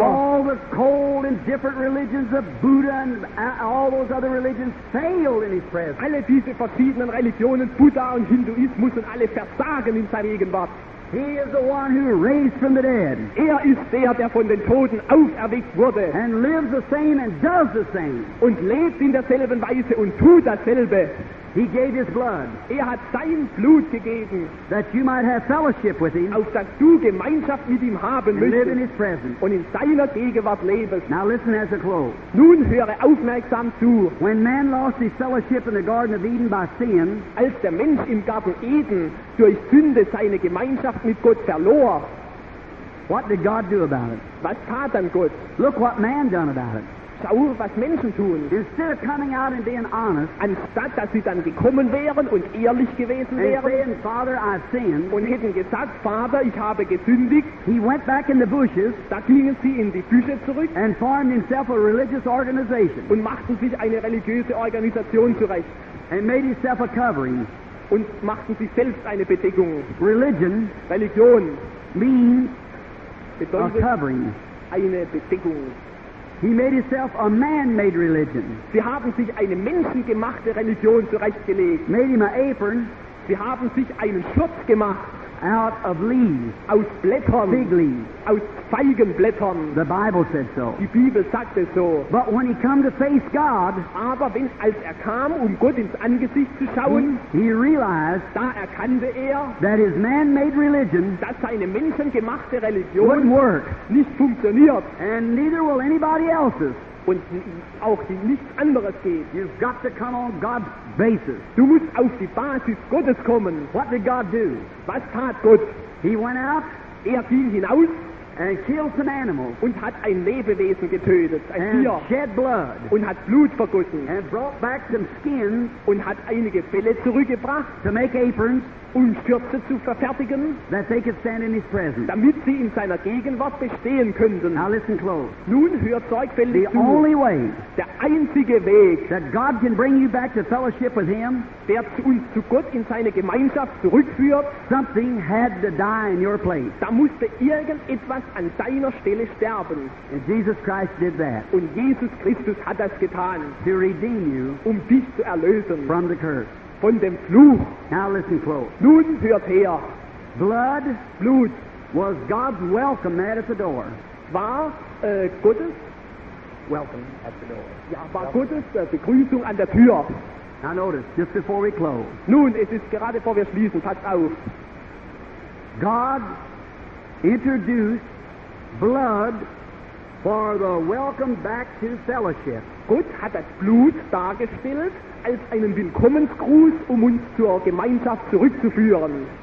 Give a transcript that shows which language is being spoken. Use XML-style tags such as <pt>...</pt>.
<en>All the cold and different religions of Buddha and all those other religions failed in his presence.</en> <de>Alle diese verschiedenen Religionen, Buddha und Hinduismus, und alle versagen in seiner Gegenwart.</de> <en>He is the one who raised from the dead.</en> <de>Ist der von den Toten auferweckt wurde.</de> <en>And lives the same and does the same.</en> <de>Und lebt in derselben Weise und tut dasselbe.</de> <en>He gave his blood.</en> <de>Hat sein Blut gegeben.</de> <en>That you might have fellowship with him.</en> <de>Auf dass du Gemeinschaft mit ihm haben</de> <en>and live in his presence.</en> <de>Und in seiner Gegenwart lebst.</de> <en>Now listen as a close.</en> <de>Nun höre aufmerksam zu.</de> <en>When man lost his fellowship in the Garden of Eden by sin,</en> <de>als der Mensch im Garten Eden durch Sünde seine Gemeinschaft mit Gott verlor,</de> <en>what did God do about it?</en> <de>Was tat dann Gott?</de> <en>Look what man done about it.</en> <de>Schau, was Menschen tun.</de> <en>Instead of coming out and being honest,</en> <de>anstatt dass sie dann gekommen wären und ehrlich gewesen</de> <en>and</en> <de>wären,</de> <en>saying, Father, I sinned,</en> <de>und hätten gesagt, Vater, ich habe gesündigt,</de> <en>he went back in the bushes,</en> <de>da gingen sie in die Büsche zurück,</de> <en>and formed himself a religious organization,</en> <de>und machten sich eine religiöse Organisation zurecht,</de> <en>and made himself a covering,</en> <de>und machten sich selbst eine Bedeckung.</de> <en>Religion,</en> <de>Religion</de> <en>means</en> <de>bedeutet</de> <en>a covering.</en> <de>Eine Bedeckung.</de> <en>He made himself a man-made religion.</en> <de>Sie haben sich eine menschengemachte Religion zurechtgelegt.</de> <en>Made him an apron.</en> <de>Sie haben sich einen Schutz gemacht.</de> <en>Out of leaves.</en> <de>Aus Blättern.</de> <en>Fig leaves.</en> <de>Aus Feigenblättern.</de> <en>The Bible said so.</en> <de>Die Bibel sagte so.</de> <en>But when he came to face God,</en> <de>aber wenn als kam, Gott ins Angesicht zu schauen,</de> <en>he realized,</en> <de>da erkannte</de> <en>that his man-made religion,</en> <de>dass seine menschengemachte Religion,</de> <en>wouldn't work.</en> <de>Nicht funktioniert.</de> <en>And neither will anybody else's.</en> <de>Und auch die nichts anderes geht.</de> <en>You've got to come on God's basis.</en> <de>Du musst auf die Basis Gottes kommen.</de> <en>What did God do?</en> <de>Was tat Gott?</de> <en>He went out.</en> <de>Ging hinaus.</de> <en>And killed some animals.</en> <de>Und hat ein Lebewesen getötet. Ein</de> <en>and</en> <de>Tier.</de> <en>Shed blood.</en> <de>Und hat Blut vergossen.</de> <en>And brought back some skin.</en> <de>Und hat einige Felle zurückgebracht.</de> <en>To make aprons.</en> <de>Um Schürze zu verfertigen.</de> <en>That they could stand in his presence.</en> <de>Damit sie in seiner Gegenwart bestehen könnten.</de> <en>Now listen close.</en> <de>Nun hört sorgfältig zu.</de> <en>The only way.</en> <de>Der einzige Weg.</de> <en>That God can bring you back to fellowship with him.</en> <de>Der uns zu Gott in seine Gemeinschaft zurückführt.</de> <en>Something had to die in your place.</en> <de>Da musste irgendetwas an deiner Stelle sterben.</de> <en>And Jesus Christ did that.</en> <de>Und Jesus Christus hat das getan.</de> <en>To redeem you.</en> <de>Dich zu erlösen.</de> <en>From the curse.</en> <de>Von dem Fluch.</de> <en>Now listen close.</en> <de>Nun hört her.</de> <en>Blood,</en> <de>Blut,</de> <en>was God's welcome mat at the door.</en> <de>War Gottes</de> <en>welcome at the door.</en> <de>Ja, war welcome. Gottes Begrüßung an der Tür.</de> <en>Now notice, just before we close.</en> <de>Nun, es ist gerade bevor wir schließen. Passt auf.</de> <en>God introduced blood for the welcome back to fellowship.</en> <de>Gott hat das Blut dargestellt als einen Willkommensgruß, uns zur Gemeinschaft zurückzuführen.</de>